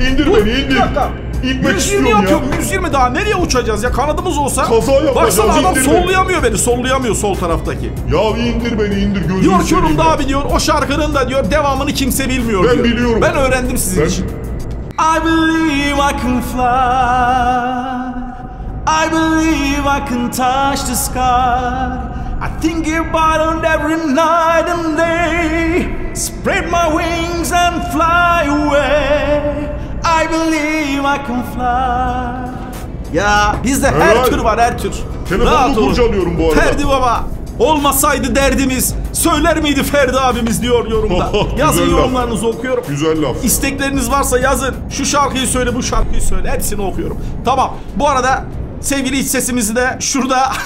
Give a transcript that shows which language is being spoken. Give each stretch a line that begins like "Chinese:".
Turkish: İndir dur, beni indir. İndir. 120 yapıyorum ya. 120 daha nereye uçacağız ya kanadımız olsa. Kaza yapacağız. Baksana adam sollayamıyor beni. Sollayamıyor sol taraftaki. Ya indir beni indir gözünü diyor ki oğlum daha biliyor o şarkının da diyor devamını kimse bilmiyor ben diyor. Ben biliyorum. Ben öğrendim sizin için.
English: I believe I can fly. I believe I can touch the sky. I think about it every night and day. Spread my wings and fly away. I believe I can fly.
Turkish: Ya bizde evet. Her tür var her tür. Telefonunu kurcalıyorum bu arada. Ferdi baba. Olmasaydı derdimiz söyler miydi Ferdi abimiz diyor yorumda. Yazın yorumlarınızı okuyorum. Güzel laf. İstekleriniz varsa yazın. Şu şarkıyı söyle bu şarkıyı söyle hepsini okuyorum. Tamam bu arada sevgili iç sesimizi de şurada.